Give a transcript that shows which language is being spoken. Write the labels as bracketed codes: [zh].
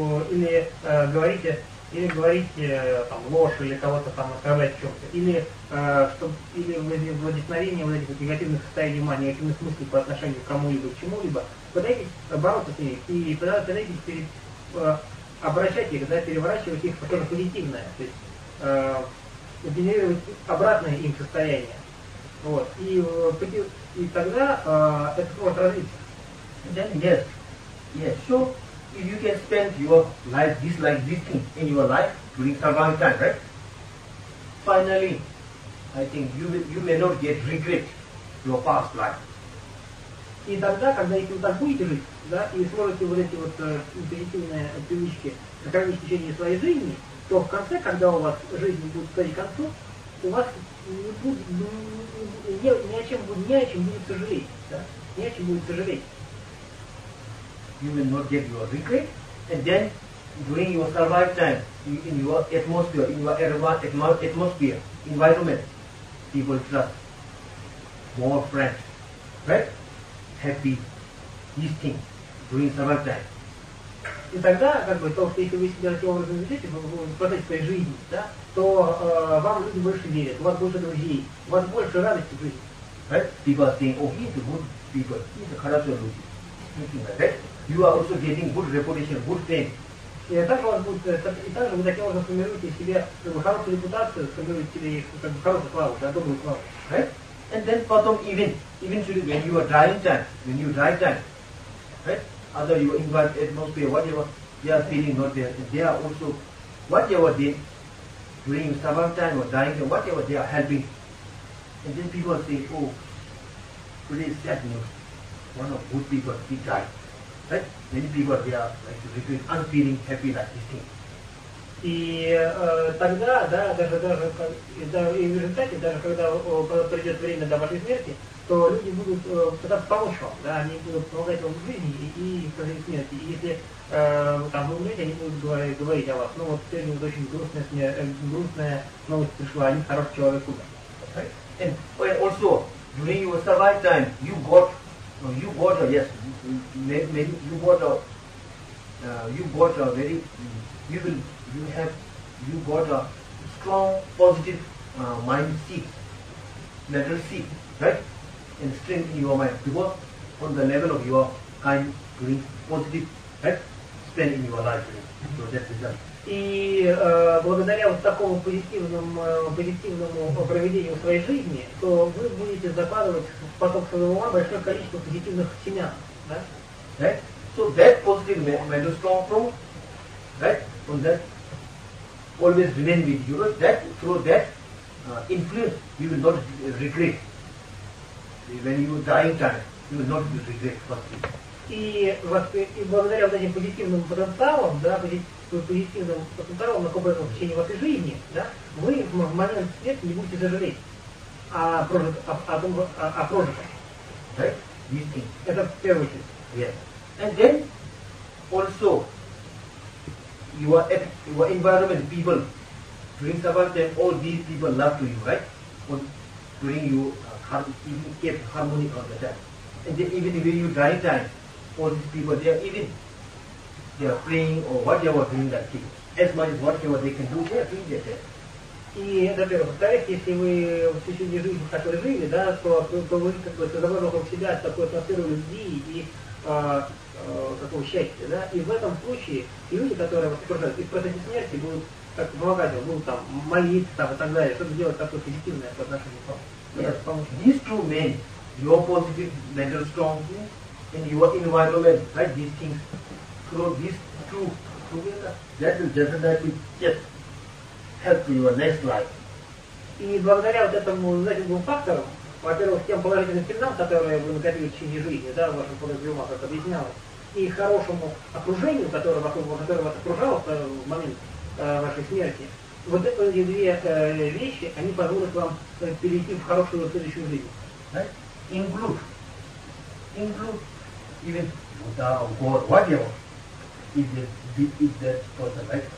[ru] или говорите, или говорите там ложь, или кого-то там оскорблять в чем-то, или, или вдохновение вот этих вот негативных состояний ума, негативных мыслей по отношению к кому-либо, к чему-либо, пытаетесь бороться с ними, и пытаетесь обращать их, да, переворачивать их в что-то позитивное, то есть, генерировать обратное им состояние. Вот. И тогда это может развиться. [en] Then yes. Yes. So if you can spend your life this like this thing in your life during some long time, right? Finally, I think you may not get regret your past life. [ru] И тогда, когда если вы так будете жить, да, и сможете вот эти вот позитивные привычки сохранить в течение своей жизни, то в конце, когда у вас жизнь будет стоять к концу, у вас не будет ни о чем будет сожалеть, да? Ни о чем будет сожалеть. [en] You will not get your regret, and then during your survival time in your atmosphere, in your atmosphere, environment, people trust, more friends, right? Happy, this thing during survival time. [ru] И тогда, как бы, то, что если вы себя таким образом ведете, в процессе своей жизни, да, то вам люди больше верят, у вас больше друзей, у вас больше радости в жизни. [en] Right? People are saying, oh, he's a good people, he's a [ru] хорошие люди. [en] You are also getting good reputation, good fame. [ru] И также у вас будет, и также вы таким образом формируете себе, как бы, хорошую репутацию, формируете себе, как бы, хорошую славу, да, добрую славу. [en] Right? And then [ru] потом, [en] eventually, when you are dying time, when you die time, right? Other you invite atmosphere, whatever, they are feeling not there. And they are also, whatever they bring, survival time or dying time, whatever they are helping. And then people say, oh, today is sad news. One of good people, he died. Right? Many people, they are like really unfeeling happy like this thing. [ru] И тогда, да, даже и в результате, даже когда придет время до вашей смерти, то люди будут пытаться помочь вам, да, они будут помогать вам в жизни и в своей смерти. И если там вы умрете, они будут говорить о вас, ну вот сегодня вот очень грустная новость пришла, они хороший человек умер. [en] Okay. And also, during your survival time, you got a strong positive mind seat, mental seat, right? And strength in your mind. Because on the level of your kind, doing positive, right? Spend in your life. Right? So that's the result. [ru] И благодаря вот такому позитивному проведению своей жизни, то вы будете закладывать в поток своего ума большое количество позитивных семян. [en] Right? So that positive mental strong from, right? From that always remain with you, right? That through that influence you will not regret. When you die in time, you will not regret possibly. [ru] И благодаря вот этим позитивным потенциалам, да, позитивным потенциалам, накопленным в течение вашей жизни, да, вы в момент смерти не будете сожалеть о прожитом. [en] Right? These things. [ru] Это в первую очередь. [en] Yes. And then also your environment, people, during survival time, all these people love to you, right? But during you even keep harmony all the time. And then even when you die time, all these people, they are praying or whatever doing that thing. As much as whatever they can do, they are doing that. [ru] И, например, во-вторых, если вы в течение жизни так жили, да, то вы как бы создавали вокруг себя такую атмосферу любви и такого счастья, да, и в этом случае люди, которые вас окружают, и в процессе смерти будут так помогать, будут там молиться там и так далее, чтобы сделать такое позитивное по отношению к вам. [en] Yes. These two men, your positive mental strong and your environment, right, these things, through these two together, that will definitely just help your next life. [ru] И благодаря вот этому, этим двум факторам, во-первых, тем положительным сигналам, которые вы накопили в течение жизни, да, в вашем подозрению, как объяснялось, и хорошему окружению, которое вас окружало в момент вашей смерти, вот эти две вещи, они позволят вам перейти в хорошую следующую жизнь. [en] Right? Include even Buddha or God, whatever, is that person, right?